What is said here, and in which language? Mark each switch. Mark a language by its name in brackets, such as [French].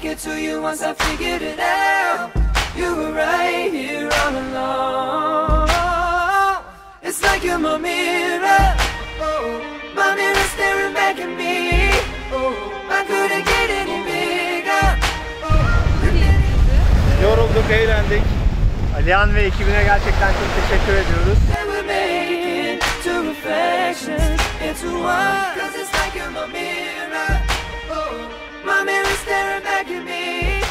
[English] To you once I figured it out, you were right here all along. It's like you're my mirror, my mirror staring back at me. I couldn't get any bigger. [Turkish] Yorulduk, eğlendik. Alihan ve ekibine gerçekten çok teşekkür ediyoruz. [English] And we're making two reflections into one, cause it's like you're my mirror. My mirror staring back at me.